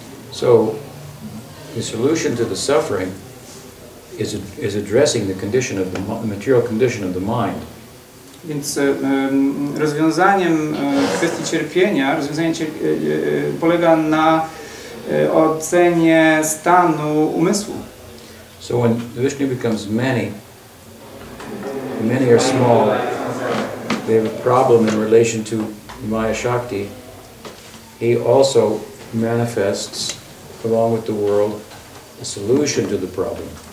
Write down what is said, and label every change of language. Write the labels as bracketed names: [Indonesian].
[English] So the solution to the suffering is addressing the condition of the material condition of the mind. [Polish] Więc rozwiązaniem kwestii cierpienia, rozwiązanie polega na ocenie stanu umysłu. [English] So when the Vishnu becomes many, the many are small, they have a problem in relation to Maya Shakti, he also manifests, along with the world, a solution to the problem.